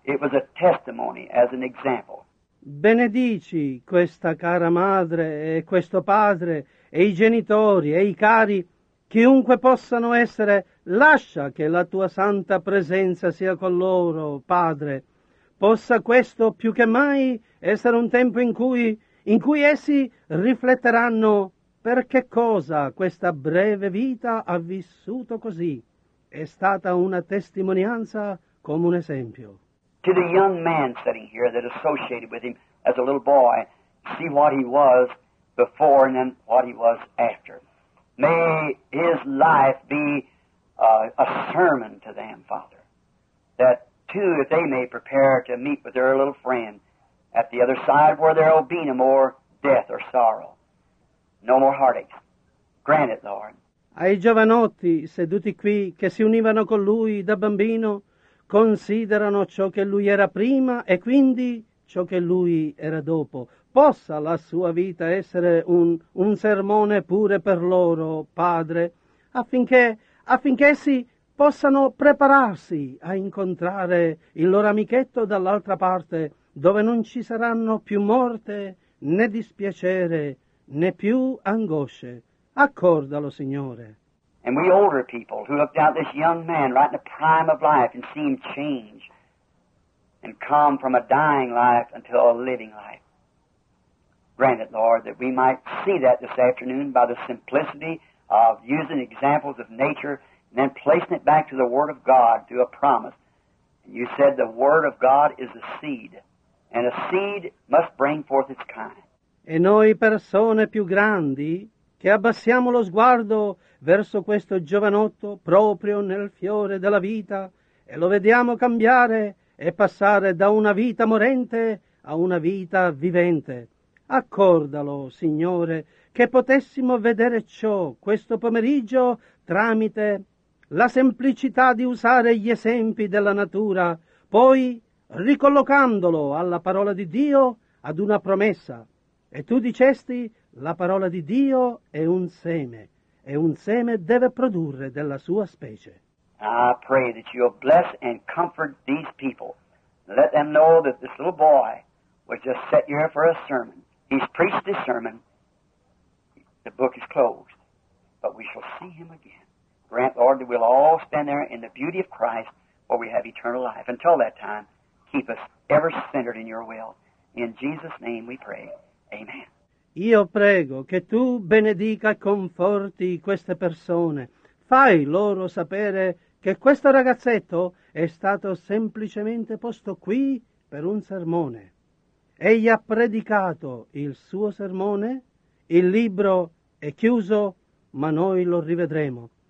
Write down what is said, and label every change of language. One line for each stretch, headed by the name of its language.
English: It was a testimony as an example.
Italian: Benedici questa cara madre e questo padre e i genitori e i cari, chiunque possano essere, lascia che la tua santa presenza sia con loro, Padre. Possa questo più che mai essere un tempo in cui essi rifletteranno per che cosa questa breve vita ha vissuto così. È stata una testimonianza come un esempio.
English: To the young man sitting here that associated with him as a little boy, see what he was before and then what he was after. May his life be a sermon to them, Father, that too, if they may prepare to meet with their little friend at the other side where there will be no more death or sorrow, no more heartaches. Grant it, Lord.
Italian: Ai giovanotti seduti qui che si univano con lui da bambino, considerano ciò che lui era prima e quindi ciò che lui era dopo. Possa la sua vita essere un sermone pure per loro, Padre, affinché essi possano prepararsi a incontrare il loro amichetto dall'altra parte, dove non ci saranno più morte, né dispiacere, né più angosce. Accordalo, Signore.
English: And we older people who looked out this young man right in the prime of life and see him change and come from a dying life until a living life. Grant it, Lord, that we might see that this afternoon by the simplicity of using examples of nature and then placing it back to the Word of God through a promise. And you said the Word of God is a seed, and a seed must bring forth its kind.
Italian: E noi persone più grandi, che abbassiamo lo sguardo verso questo giovanotto proprio nel fiore della vita e lo vediamo cambiare e passare da una vita morente a una vita vivente. Accordalo, Signore, che potessimo vedere ciò questo pomeriggio tramite la semplicità di usare gli esempi della natura, poi ricollocandolo alla parola di Dio ad una promessa. E tu dicesti: la parola di Dio è un seme, e un seme deve produrre della sua specie.
English: I pray that you'll bless and comfort these people. Let them know that this little boy was just set here for a sermon. He's preached this sermon. The book is closed, but we shall see him again. Grant, Lord, that we'll all stand there in the beauty of Christ where we have eternal life. Until that time, keep us ever centered in your will. In Jesus' name we pray. Amen.
Italian: Io prego che tu benedica e conforti queste persone. Fai loro sapere che questo ragazzetto è stato semplicemente posto qui per un sermone. Egli ha predicato il suo sermone, il libro è chiuso, ma noi lo rivedremo.